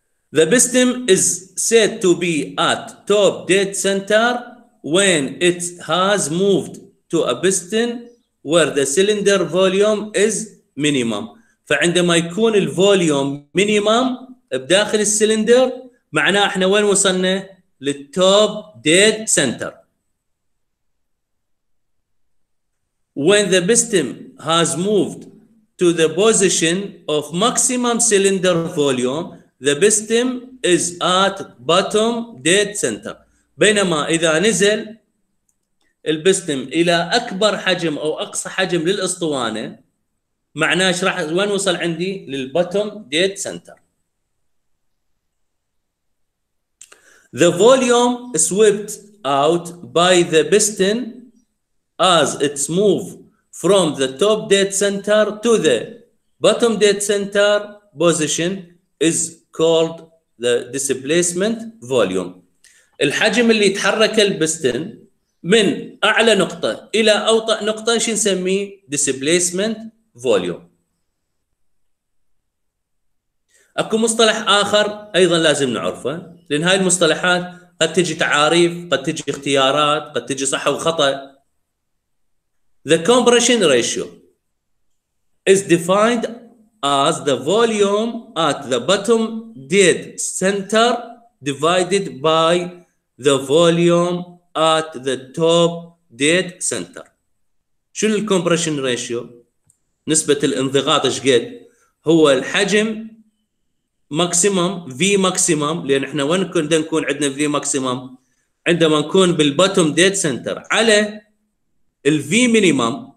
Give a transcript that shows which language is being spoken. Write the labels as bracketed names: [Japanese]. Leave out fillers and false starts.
[English] The piston is said to be at top dead center when it has moved to a piston where the cylinder volume is minimum. [Arabic] فعندما يكون الفوليوم مينيمم بداخل السلندر، معناه احنا وين وصلنا؟ للتوب ديد سنتر. [English] When the piston has moved to the position of maximum cylinder volume, the piston is at bottom dead center. [Arabic] بينما اذا نزل البستم الى اكبر حجم او اقصى حجم للاسطوانة، معناه ايش راح وين وصل عندي؟ للبوتوم ديد سنتر. [English] The volume swept out by the piston as it's move from the top dead center to the bottom dead center position is called the displacement volume. [Arabic] الحجم اللي يتحرك البستن من اعلى نقطه الى اوطى نقطه ايش نسميه؟ displacement volume. اكو مصطلح اخر ايضا لازم نعرفه، لان هاي المصطلحات قد تجي تعاريف، قد تجي اختيارات، قد تجي صح وخطا. [English] The compression ratio is defined as the volume at the bottom dead center divided by the volume at the top dead center. [Arabic] شنو الكومبريشن ريشيو؟ نسبة الانضغاط ايش قد؟ هو الحجم ماكسيمم في ماكسيمم، لان احنا وين كنا نكون عندنا في ماكسيمم؟ عندما نكون بالباتوم ديد سنتر على الفي مينيمم.